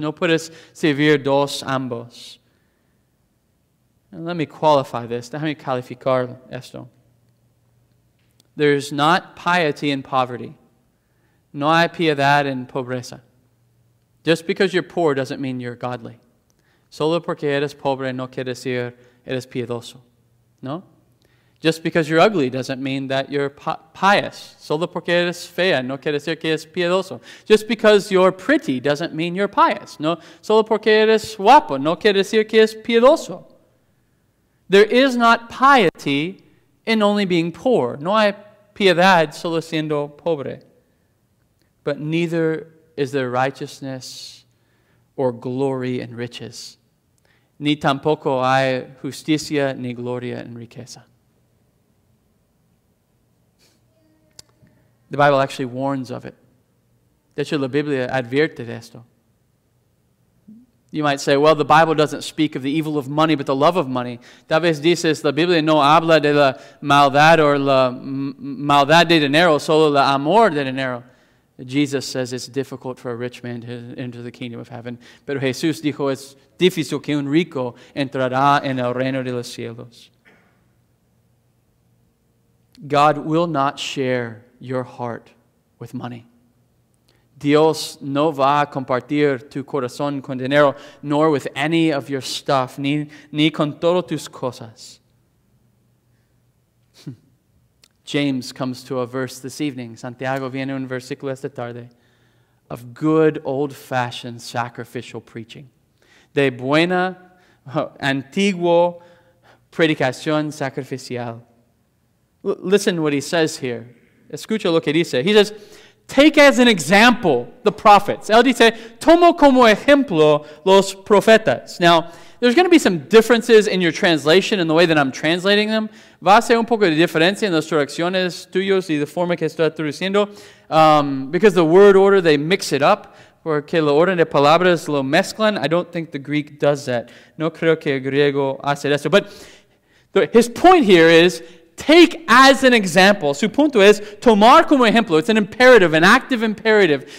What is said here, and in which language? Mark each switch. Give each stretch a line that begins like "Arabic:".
Spanish: No puedes servir dos ambos.
English: And let me qualify this.
Spanish: Déjame calificar esto.
English: There's not piety in poverty.
Spanish: No hay piedad en pobreza.
English: Just because you're poor doesn't mean you're godly.
Spanish: Solo porque eres pobre no quiere decir eres piedoso. No?
English: Just because you're ugly doesn't mean that you're pious.
Spanish: Solo porque eres fea no quiere decir que eres piedoso.
English: Just because you're pretty doesn't mean you're pious.
Spanish: No, solo porque eres guapo no quiere decir que eres piedoso.
English: There is not piety in only being poor.
Spanish: No hay piedad solo siendo pobre.
English: But neither is there righteousness or glory in riches.
Spanish: Ni tampoco hay justicia ni gloria en riqueza.
English: The Bible actually warns of it.
Spanish: De hecho, la Biblia advierte de esto.
English: You might say, well, the Bible doesn't speak of the evil of money, but the love of money.
Spanish: Tal vez dices, la Biblia no habla de la maldad or la maldad de dinero, solo el amor de dinero.
English: Jesus says it's difficult for a rich man to enter the kingdom of heaven.
Spanish: Pero Jesús dijo, es difícil que un rico entrará en el reino de los cielos.
English: God will not share your heart with money.
Spanish: Dios no va a compartir tu corazón con dinero,
English: nor with any of your stuff,
Spanish: ni con todas tus cosas.
English: James comes to a verse this evening.
Spanish: Santiago viene un versículo esta tarde.
English: Of good old-fashioned sacrificial preaching.
Spanish: De buena, antiguo predicación sacrificial.
English: Listen what he says here.
Spanish: Escucha lo que dice.
English: He says, take as an example the prophets.
Spanish: Él dice, tomo como ejemplo los profetas.
English: Now, there's going to be some differences in your translation and the way that I'm translating them.
Spanish: Va a ser un poco de diferencia en las traducciones tuyos y la forma que estoy traduciendo.
English: Because the word order, they mix it up.
Spanish: Porque la orden de palabras lo mezclan.
English: I don't think the Greek does that.
Spanish: No creo que el griego hace eso.
English: But his point here is, take as an example.
Spanish: Su punto es, tomar como ejemplo.
English: It's an imperative, an active imperative.